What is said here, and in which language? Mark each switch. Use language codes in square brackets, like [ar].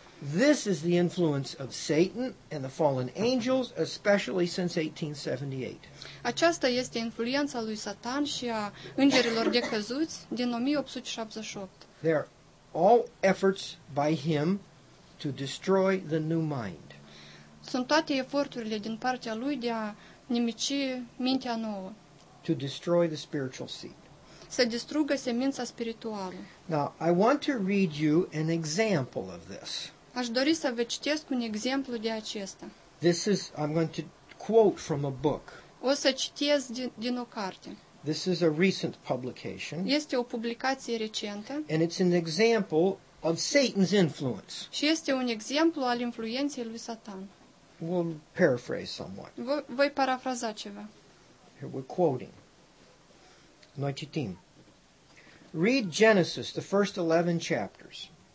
[en] This is the influence of Satan and the fallen angels, especially since 1878. [ro] Aceasta este influența lui Satan și a îngerilor decăzuți din 1878. [en] There are all efforts by him to destroy the new mind. [ro] Sunt toate eforturile din partea lui de a nimici mintea nouă. [en] To destroy the spiritual seed. [ro] Să distrugă semința spirituală. [en] Now, I want to read you an example of this. [ro] Aș dori să vă citesc un exemplu de acesta. [en] This is, I'm going to quote from a book. [ro] O să citesc din o carte. [en] This is a recent publication. [ro] Este o publicație recentă. [en] And it's an example of Satan's influence. [ro] Și este un exemplu al influenței lui Satan. [en] We'll paraphrase somewhat. [ro] Voi parafraza ceva. [en] Here we're quoting. [ro] Noi citim. [en] Read Genesis, the first 11 chapters.